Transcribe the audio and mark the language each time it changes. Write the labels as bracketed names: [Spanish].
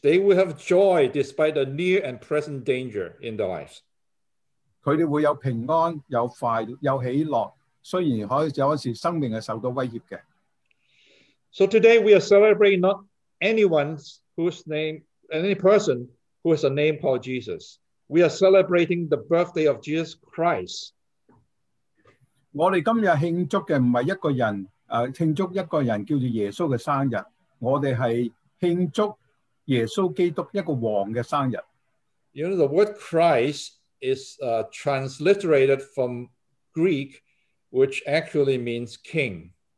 [English] They will have joy despite the near and present danger in their lives. [Cantonese] 他们会有平安、有快、有喜乐，虽然可有时生命系受到威胁嘅。 [English] So today we are celebrating not anyone whose name, any person who has a name called Jesus. We are celebrating the birthday of Jesus Christ. [Cantonese] 我们今日庆祝嘅唔系一个人，庆祝一个人叫做耶稣嘅生日。我哋系庆祝耶稣基督一个王嘅生日。 [English] You know, the word Christ is transliterated from Greek, which actually means king.